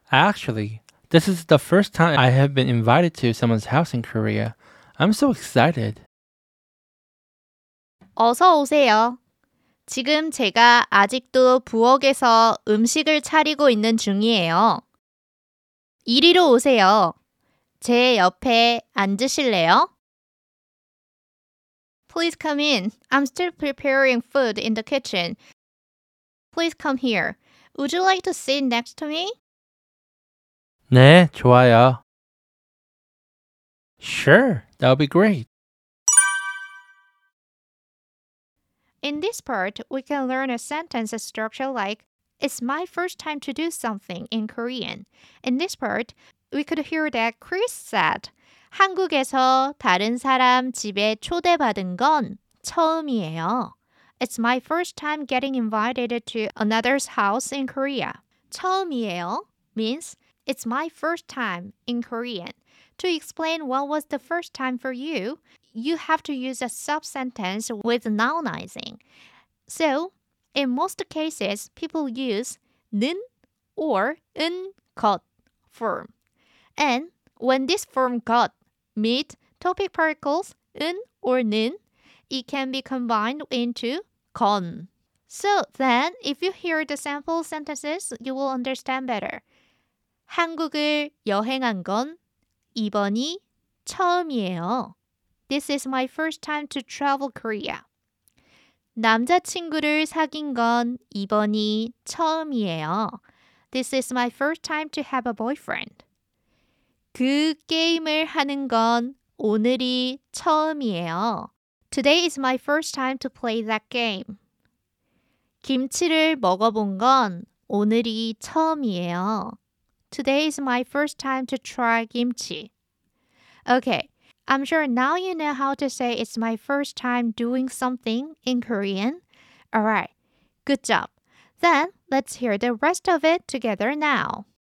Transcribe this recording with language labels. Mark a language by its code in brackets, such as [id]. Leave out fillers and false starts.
[en] Actually, this is the first time I have been invited to someone's house in Korea. I'm so excited. [ko] 어서 오세요. 지금 제가 아직도 부엌에서 음식을 차리고 있는 중이에요. 이리로 오세요. 제 옆에 앉으실래요? [en] Please come in. I'm still preparing food in the kitchen. Please come here. Would you like to sit next to me? [ko] 네, 좋아요. [en] Sure, that would be great. In this part, we can learn a sentence structure like, It's my first time to do something in Korean. In this part, we could hear that Chris said, [ko] 한국에서 다른 사람 집에 초대받은 건 처음이에요. [en] It's my first time getting invited to another's house in Korea. [ko] 처음이에요 [en] means it's my first time in Korean. To explain what was the first time for you, you have to use a sub-sentence with nounizing. So, in most cases, people use 는 or 은 got form. And when this form got meet topic particles 은 or 는, it can be combined into 건. So then, if you hear the sample sentences, you will understand better. [ko] 한국을 여행한 건 이번이 처음이에요. [en] This is my first time to travel Korea. [ko] 남자친구를 사귄 건 이번이 처음이에요. [en] This is my first time to have a boyfriend. [ko] 그 게임을 하는 건 오늘이 처음이에요. [en] Today is my first time to play that game. [ko] 김치를 먹어본 건 오늘이 처음이에요. [en] Today is my first time to try kimchi. Okay, I'm sure now you know how to say it's my first time doing something in Korean. Alright, good job. Then, let's hear the rest of it together now.